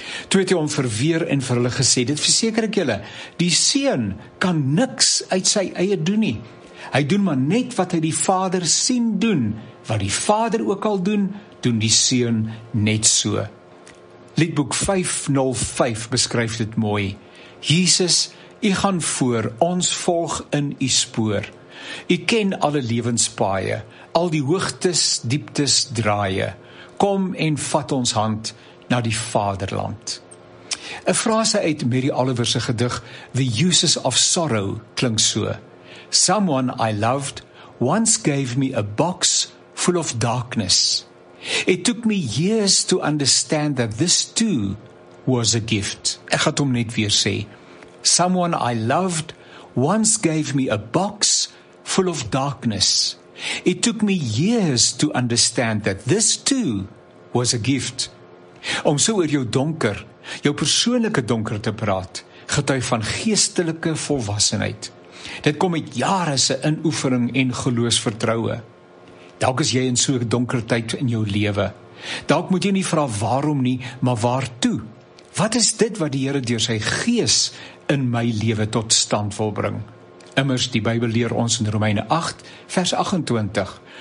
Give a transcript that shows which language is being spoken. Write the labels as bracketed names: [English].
[Afrikaans] Toe het hy hom verweer en vir hulle gesê, dit verseker ek julle, die seun kan niks uit sy eie doen nie. Hy doen maar net wat hy die vader sien doen, wat die vader ook al doen, doen die seun net so. Liedboek 505 beskryf dit mooi. Jesus, U gaan voor, ons volg in U spoor. U ken alle lewenspaaie, al die hoogtes, dieptes, draaie. Kom en vat ons hand na die vaderland. 'N frase uit Mary Oliver se gedig, The Uses of Sorrow, klink so. [English] Someone I loved once gave me a box full of darkness. It took me years to understand that this too was a gift. [Afrikaans] Ek gaan hom net weer sê. [English] Someone I loved once gave me a box full of darkness. It took me years to understand that this too was a gift. [Afrikaans] Om so oor jou donker, jou persoonlike donker te praat, getuig van geestelike volwassenheid. Dit kom met jare se inoefening en geloofsvertroue. Dalk is jy in so 'n donker tyd in jou lewe. Dalk moet jy nie vra waarom nie, maar waartoe. Wat is dit wat die Here deur sy gees in my lewe tot stand wil bring? Immers die Bybel leer ons in Romeine 8 vers 28.